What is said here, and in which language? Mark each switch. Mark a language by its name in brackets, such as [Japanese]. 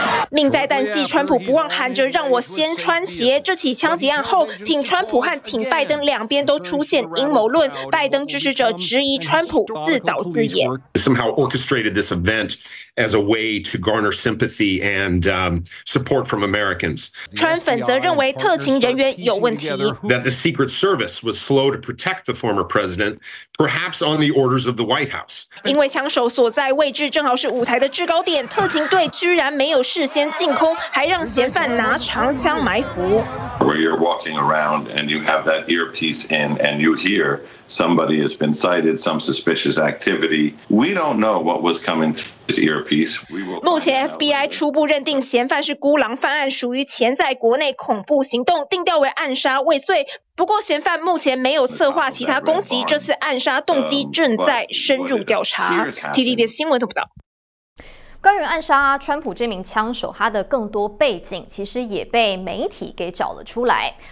[Chinese] 命在旦夕，川普不忘喊着让我先穿鞋。这起枪击案后，挺川普和挺拜登两边都出现阴谋论，拜登支持者质疑川普自导自演。 [English] Somehow orchestrated this event as a way to garner sympathy and support from Americans. [Chinese] 川粉则认为特勤人员有问题。 [English] That the Secret Service was slow to protect the former president, perhaps on the orders of the White House. [Chinese] 因为枪手所在位置正好是舞台的制高点，特勤队居然没有事先进空，还让嫌犯拿长枪埋伏。 [English] Where you're walking around and you have that earpiece in and you hear somebody has been sighted, some suspicious activity. We don't know what was coming through his earpiece. [Chinese] 目前 FBI 初步认定嫌犯是孤狼犯案，属于潜在国内恐怖行动，定调为暗杀未遂。不过嫌犯目前没有策划其他攻击，这次暗杀动机正在深入调查。 TVBS 新闻都不到。关于暗杀川普这名枪手，他的更多背景其实也被媒体给找了出来。